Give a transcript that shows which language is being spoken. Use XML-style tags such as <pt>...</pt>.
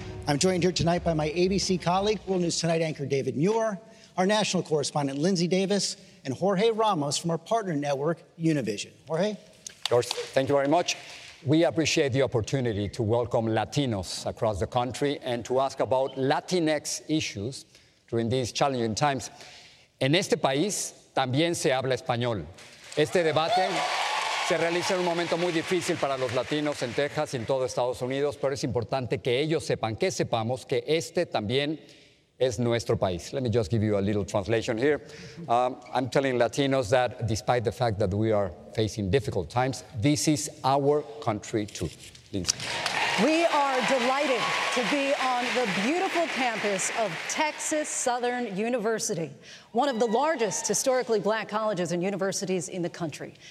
<en>I'm joined here tonight by my ABC colleague, World News Tonight anchor David Muir, our national correspondent Lindsay Davis, and Jorge Ramos from our partner network, Univision. Jorge? George, thank you very much. We appreciate the opportunity to welcome Latinos across the country and to ask about Latinx issues during these challenging times.</en> <es>En este país también se habla español. Este debate se realiza en un momento muy difícil para los latinos en Texas y en todo Estados Unidos, pero es importante que ellos sepan, que sepamos que este también es nuestro país.</es> <en>Let me just give you a little translation here. I'm telling Latinos that despite the fact that we are facing difficult times, this is our country too. We are delighted to be on the beautiful campus of Texas Southern University, one of the largest historically black colleges and universities in the country.</en>